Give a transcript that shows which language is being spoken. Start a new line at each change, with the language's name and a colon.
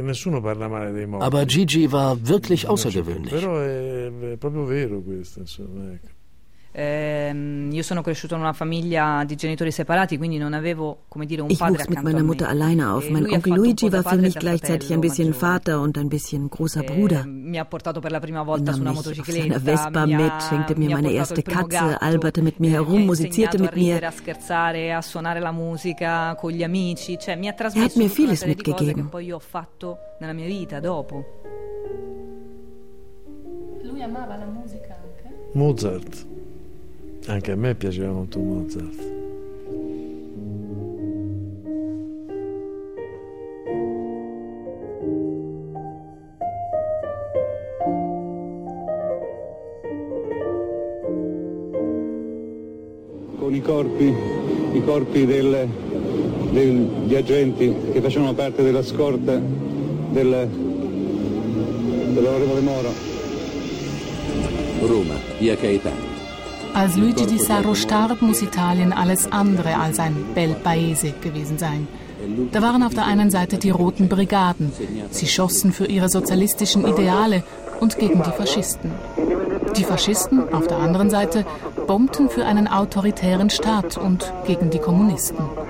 German: Aber Gigi war wirklich außergewöhnlich.
Italian: Io sono cresciuto in una famiglia di genitori separati, quindi non avevo, come dire, un padre accanto a me.
German: Ich wuchs mit meiner Mutter alleine auf. Mein Onkel Luigi war für mich gleichzeitig ein bisschen Vater und ein bisschen großer Bruder.
Italian: Mi ha portato per la prima volta su una motocicletta.
German: Nahm mich auf seiner Vespa mit, schenkte mir meine erste Katze, alberte mit mir herum, musizierte mit mir.
Italian: A scherzare, a suonare la musica con gli amici. Cioè, mi ha trasmesso.
German: Er hat mir vieles mitgegeben.
Italian: Poi ho fatto nella mia vita dopo. Lui amava la musica anche. Mozart. Anche a me piaceva molto Mozart. Con i corpi degli agenti che facevano parte della scorta dell'onorevole Moro. Roma, via Caetano.
German: Als Luigi Di Sarro starb, muss Italien alles andere als ein bel paese gewesen sein. Da waren auf der einen Seite die Roten Brigaden. Sie schossen für ihre sozialistischen Ideale und gegen die Faschisten. Die Faschisten, auf der anderen Seite, bombten für einen autoritären Staat und gegen die Kommunisten.